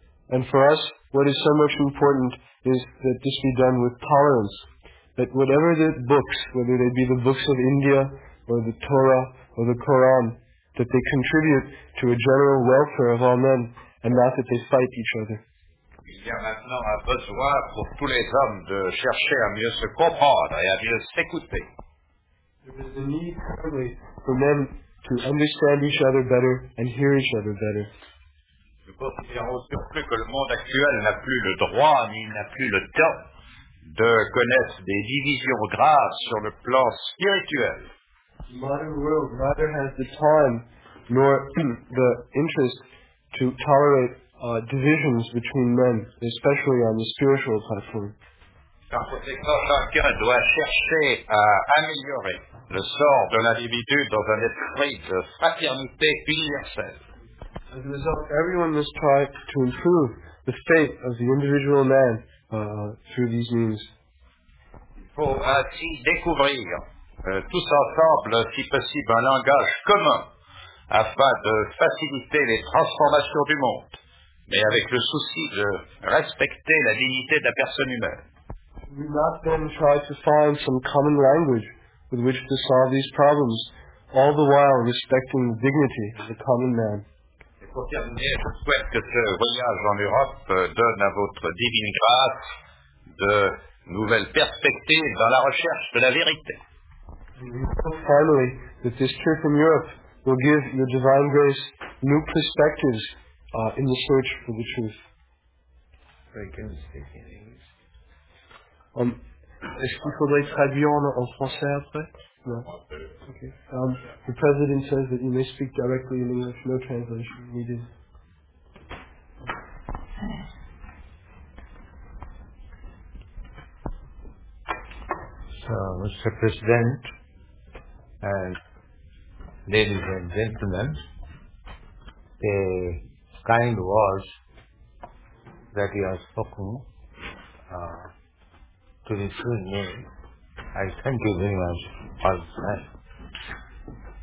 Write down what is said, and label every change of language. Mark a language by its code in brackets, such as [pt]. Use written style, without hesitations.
[en] And for us, what is so much important is that this be done with tolerance, that whatever the books, whether they be the books of India or the Torah or the Quran, that they contribute to a general welfare of all men and not that they fight each other. [fr] Il y a maintenant un besoin pour tous les hommes de chercher à mieux se comprendre et à mieux s'écouter. [en] There is a need currently for men to understand each other better and hear each other better. [fr] Nous considérons surtout que le monde actuel n'a plus le droit ni n'a plus le temps de connaître des divisions graves sur le plan spirituel. [en] The modern world neither has the time nor the interest to tolerate divisions between men, especially on the spiritual platform. [fr] Par conséquent, chacun doit chercher à améliorer le sort de l'individu dans un esprit de fraternité universelle. [en] As a result, everyone must try to improve the fate of the individual man through these means. [fr] Il faut ainsi découvrir tous ensemble, si possible, un langage commun afin de faciliter les transformations du monde, mais avec le souci de respecter la dignité de la personne humaine. [en] we not then try to find some common language with which to solve these problems, all the while respecting the dignity of the common man? [fr] Et pour terminer, je souhaite que ce voyage en Europe donne à votre divine grâce de nouvelles perspectives dans la recherche de la vérité. [en] Finally, that this trip in Europe will give your divine grace new perspectives in the search for the truth. Very good, speaking English. [fr] Est-ce qu'il faudrait traduire en français après? [en] No. Okay. The president says that you may speak directly in English, no translation needed. So, Mr. President, and ladies and gentlemen, the kind words that you have spoken to the true name, I thank you very much for that.